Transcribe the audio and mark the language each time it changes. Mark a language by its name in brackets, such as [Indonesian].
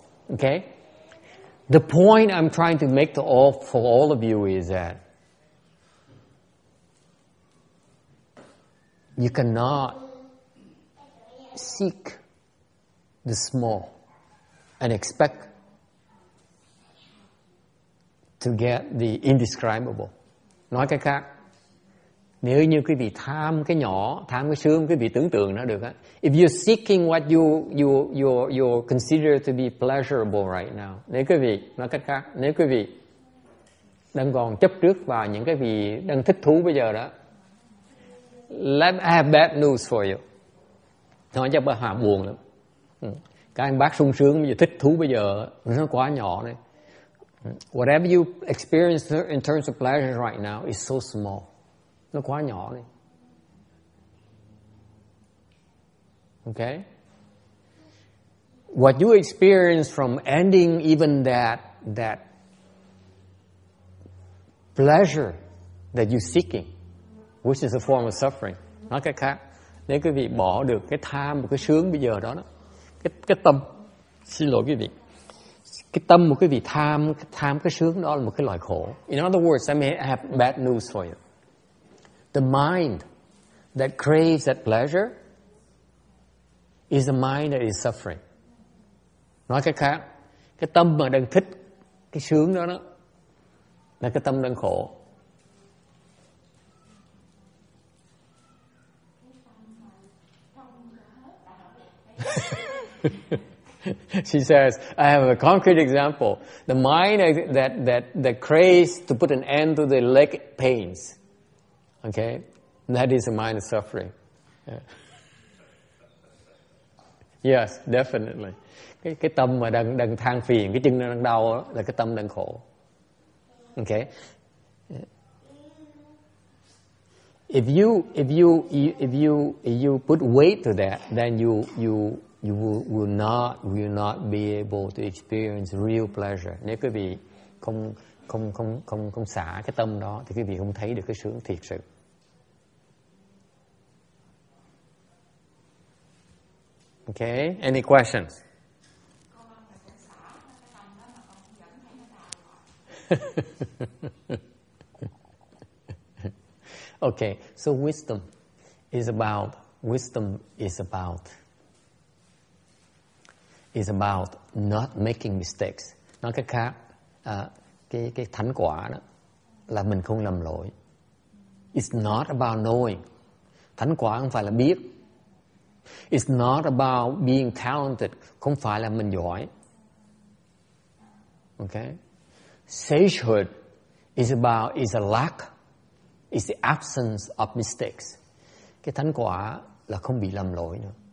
[English] Okay? The point I'm trying to make for all of you is that you cannot seek the small and expect to get the indescribable. [Vietnamese] Nói cách khác, nếu như quý vị tham cái nhỏ, tham cái sướng, quý vị tưởng tượng nó được á. [English] If you're seeking what you consider to be pleasurable right now, [Vietnamese] nếu quý vị, nói cách khác, nếu quý vị đang còn chấp trước vào những cái vị đang thích thú bây giờ đó, [English] I have bad news for you. [Vietnamese] Nói cho bà Hà buồn lắm. Các anh bác sung sướng bây giờ, thích thú bây giờ, nó quá nhỏ đấy. [English] Whatever you experience in terms of pleasure right now is so small. [Vietnamese] Nó quá nhỏ đi. [English] Okay? What you experience from ending even that pleasure that you're seeking, which is a form of suffering. [Vietnamese] Nói cách khác, nếu quý vị bỏ được cái tham, cái sướng bây giờ đó, cái tâm, xin lỗi quý vị, cái tâm một cái vị tham cái sướng đó là một cái loại khổ. [English] In other words, I may have bad news for you. The mind that craves that pleasure is the mind that is suffering. [Vietnamese] Nói cách khác, cái tâm mà đang thích cái sướng đó là cái tâm đang khổ. [English] She says, I have a concrete example. The mind that craves to put an end to the leg pains. Okay? That is a mind of suffering. Yeah. Yes, definitely. [Vietnamese] Cái tâm mà đang than phiền, cái chân nó đang đau là cái tâm đang khổ. [English] Okay? If you put weight to that, then you will not be able to experience real pleasure. [Vietnamese] Nếu quý vị không xả cái tâm đó thì quý vị không thấy được cái sướng thiệt sự. [English] Okay, any questions? Okay, so wisdom is about not making mistakes. [Vietnamese] Nói cách khác, cái thánh quả đó là mình không làm lỗi. [English] It's not about knowing. [Vietnamese] Thánh quả không phải là biết. [English] It's not about being talented. [Vietnamese] Không phải là mình giỏi. [English] Okay? Sagehood is about is a lack, is the absence of mistakes. [Vietnamese] Cái thánh quả là không bị lầm lỗi nữa.